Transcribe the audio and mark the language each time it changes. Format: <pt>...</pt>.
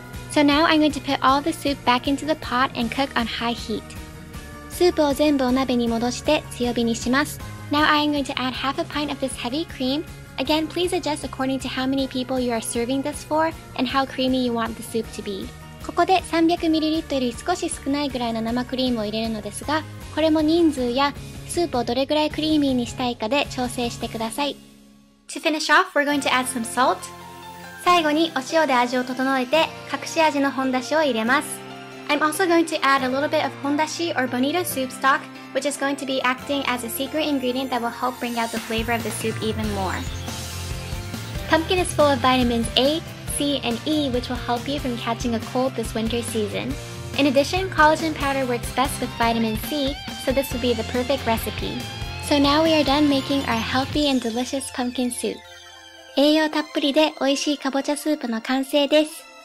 <en>So now I'm going to put all the soup back into the pot and cook on high heat.</en> <ja>スープを全部お鍋に戻して強火にします。</ja> <en>Now I am going to add half a pint of this heavy cream. Again, please adjust according to how many people you are serving this for and how creamy you want the soup to be.</en> <ja>ここで 300ml より少し少ないぐらいの生クリームを入れるのですが、これも人数やスープをどれぐらいクリーミーにしたいかで調整してください。</ja> <en>To finish off, we're going to add some salt.</en> <ja>最後にお塩で味を整えて隠し味の本だしを入れます。</ja> <en>I'm also going to add a little bit of hondashi or bonito soup stock, which is going to be acting as a secret ingredient that will help bring out the flavor of the soup even more. Pumpkin is full of vitamins A, C, and E, which will help you from catching a cold this winter season. In addition, collagen powder works best with vitamin C, so this would be the perfect recipe. So now we are done making our healthy and delicious pumpkin soup.</en> <ja>栄養たっぷりで美味しいかぼちゃスープの完成です。</ja>